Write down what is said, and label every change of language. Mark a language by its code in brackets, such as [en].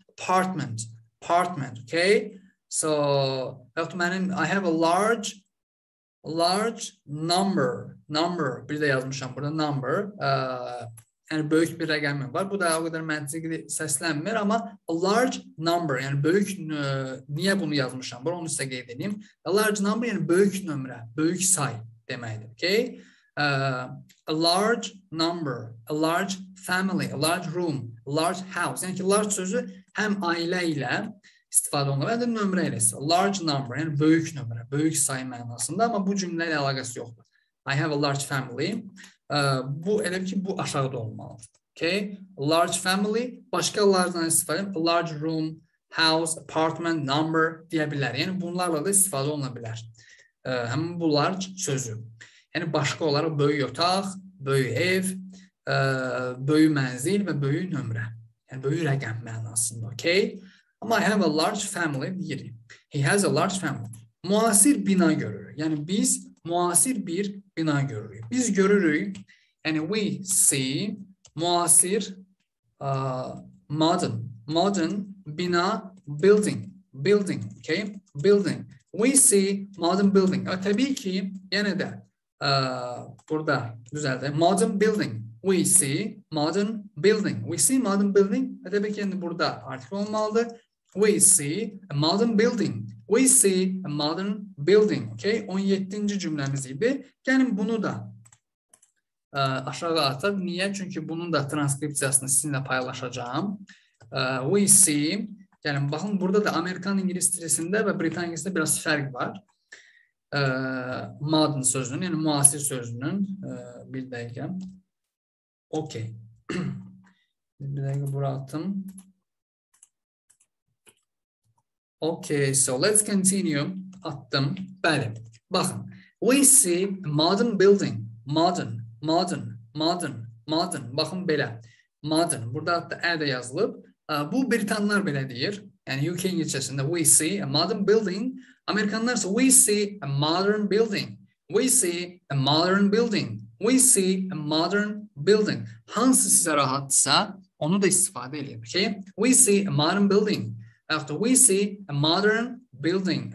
[en] Apartment, apartment, okay? So, I have a large number, number, [az] bir də yazmışam burada, number, yəni böyük bir rəqəmim var, bu da o qədər məntiqli səslənmir, amma a large number, yəni böyük, niyə bunu yazmışam, bura onu sizə qeyd edeyim, a large number, yəni böyük nömrə, böyük say deməkdir, okay? [en] A large number, a large family, a large room, a large house, [az] yəni ki, large sözü, həm ailə ilə istifadə olunur, həm də nömrə ilə istifadə olunur. Large number, yəni böyük nömrə, böyük say mənasında, amma bu cümlə ilə əlaqəsi yoxdur. [en] I have a large family. [az] Bu, elə ki, bu aşağıda olmalıdır. Large family, başqa large-dan istifadə olunur. [en] Large room, house, apartment, number [az] deyə bilər. Yəni, bunlarla da istifadə olunur bilər. Həm bu large sözü. Yəni, başqa olaraq böyük otaq, böyük ev, böyük mənzil və böyük nömrə. Yəni, böyük rəqəm mənasında, okey? Amma [en] I have a large family, [az] deyirik. [en] He has a large family. [az] Müasir bina görürük. Yəni, biz müasir bir bina görürük. Biz görürük, yəni, [en] we see [az] müasir modern. [en] Modern bina building. Building, okey? Building. We see modern building. [az] Təbii ki, yenə də burada düzəldək. Modern building. [en] We see modern building. We see modern building. [az] Təbii ki, yəni burada artikl olmalıdır. [en] We see a modern building. We see a modern building. [az] Okay, 17-ci cümləmiz idi. Gəlin bunu da aşağı atıb. Niyə? Çünki bunun da transkripsiyasını sizinlə paylaşacağım. [en] We see, [az] gəlin, baxın, burada da Amerikan İngiliz dilində və Britaniya İngilizində biraz fərq var. Modern sözünün, yəni müasir sözünün, bir dəqiqə. Okey. Bir dəqiqə bura atım. [en] Okey, so let's continue. [az] Atdım. Bəli. Baxın. [en] We see modern building. Modern. Modern. Modern. Modern. [az] Baxın belə. [en] Modern. [az] Burada hatta ə də yazılıb. Bu Britanlar belə deyir. Yəni UK İngilizcəsində [en] we see a modern building. [az] Amerikanlar isə [en] we see a modern building. We see a modern building. We see a modern building. [az] Hansı sizə rahatsa, onu da istifadə edin. [en] Okay? We see a modern building. After we see a modern building.